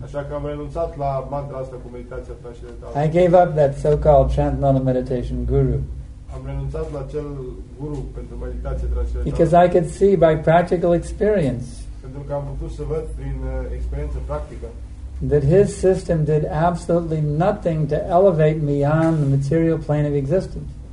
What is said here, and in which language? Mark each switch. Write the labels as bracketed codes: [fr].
[ro] Așa că am renunțat la mantra asta cu meditația transcendentală. [en] I gave up that so-called transcendental meditation guru. [ro] Am renunțat la acel guru pentru meditație transcendentală. [en] Because I could see by practical experience. [ro] Pentru că am putut să văd prin experiență practică. [en] That his system did absolutely nothing to elevate me on the material plane of existence.